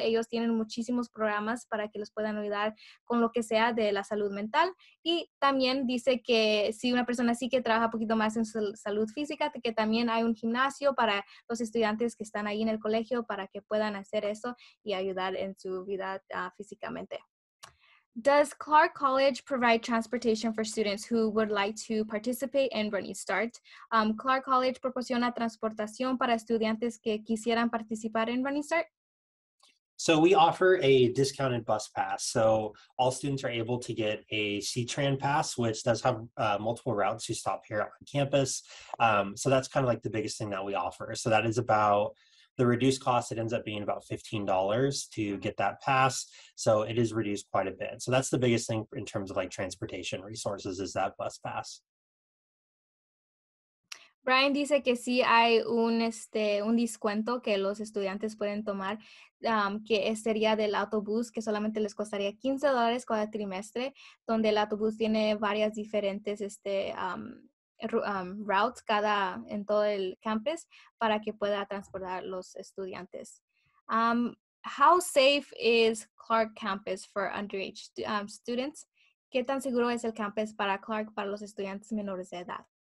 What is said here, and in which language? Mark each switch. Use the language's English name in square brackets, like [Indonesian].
[Spanish] Ellos tienen muchísimos programas para que los puedan ayudar con lo que sea de la salud mental. Y también dice que si una persona sí que trabaja un poquito más en su salud física, que también hay un gimnasio para los estudiantes que están ahí en el colegio para que puedan hacer eso y ayudar en su vida físicamente. [English] Does Clark College provide transportation for students who would like to participate in Running Start? [Spanish] Clark College proporciona transportación para estudiantes que quisieran participar en Running Start? [English] So we offer a discounted bus pass. So all students are able to get a CTRAN pass, which does have multiple routes to stop here on campus. So that's kind of like the biggest thing that we offer. So that is about the reduced cost. It ends up being about $15 to get that pass. So it is reduced quite a bit. So that's the biggest thing in terms of like transportation resources is that bus pass. [Spanish] Brian dice que sí hay un, un descuento que los estudiantes pueden tomar, que sería del autobús, que solamente les costaría $15 cada trimestre, donde el autobús tiene varias diferentes routes cada, en todo el campus para que pueda transportar los estudiantes. [English] How safe is Clark campus for underage students? [Spanish] ¿Qué tan seguro es el campus para Clark para los estudiantes menores de edad?